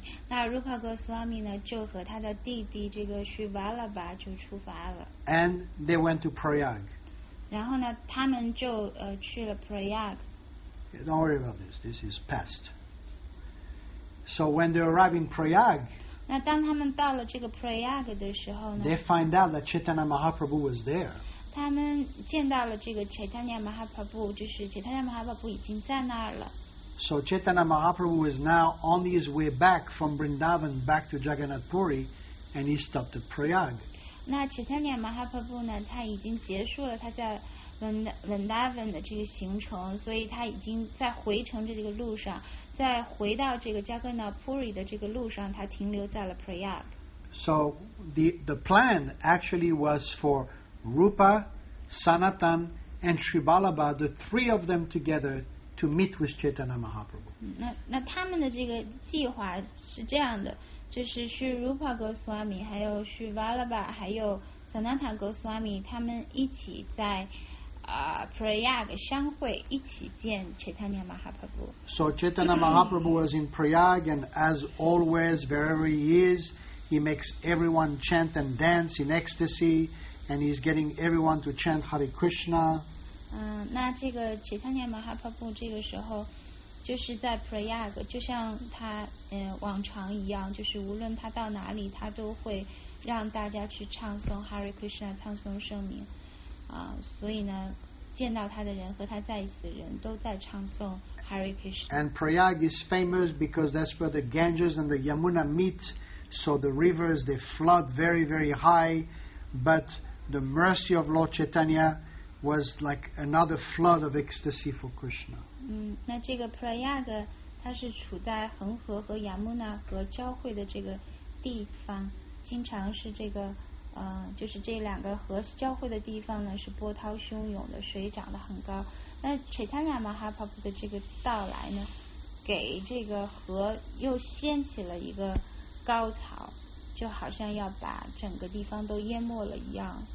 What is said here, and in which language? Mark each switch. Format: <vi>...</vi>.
<zh>那 Rupa Goswami 呢就和他的弟弟这个 Sri Balabha 就出发了。</zh> <en>And they went to Prayag.</en> <zh>然后呢他们就去了 Prayag.</zh> <en>Okay, don't worry about this. This is past. So when they arrive in Prayag,</en> <zh>那当他们到了这个 Prayag 的时候呢，</zh> <en>they find out that Chaitanya Mahaprabhu was there.</en> <zh>他们见到了这个 Chaitanya Mahaprabhu， 就是 Chaitanya Mahaprabhu 已经在那儿了。</zh> <en>So Chaitanya Mahaprabhu is now on his way back from Vrindavan back to Jagannath Puri, and he stopped at Prayag.</en> <zh>那 Chaitanya Mahaprabhu 呢？他已经结束了他在 Vrindavan 的这个行程，所以他已经在回程的这个路上，在回到这个 Jagannath Puri 的这个路上，他停留在了 Prayag.</zh> <en>So the plan actually was for Rupa, Sanatan, and Sri Balabha, the three of them together, to meet with Chaitanya Mahaprabhu.</en> <zh>那他们的这个计划是这样的，就是 Sri Rupa Goswami 还有 Sri Balabha 还有 Sanatan Goswami 他们一起在Prayag 相会，一起见 Chaitanya Mahaprabhu.</zh> <en>So Chaitanya Mahaprabhu was in Prayag, and as always, wherever he is, he makes everyone chant and dance in ecstasy, and he's getting everyone to chant Hare Krishna.</en> <zh>那这个 Chaitanya Mahaprabhu 这个时候就是在 Prayag， 就像他往常一样，就是无论他到哪里，他都会让大家去唱诵 Hare Krishna， 唱诵圣名所以呢，见到他的人和他在一起的人都在唱诵 Hare Krishna。</zh> <en>And Prayag is famous because that's where the Ganges and the Yamuna meet, so the rivers they flood very very high, but the mercy of Lord Chaitanya was like another flood of ecstasy for Krishna.</en> <zh>那这个 Prayag 它是处在恒河和 Yamuna 河交汇的这个地方，经常是这个就是这两个河交汇的地方呢是波涛汹涌的，水涨得很高。那 Chaitanya Mahaprabhu 的这个到来呢，给这个河又掀起了一个高潮，就好像要把整个地方都淹没了一样。</zh>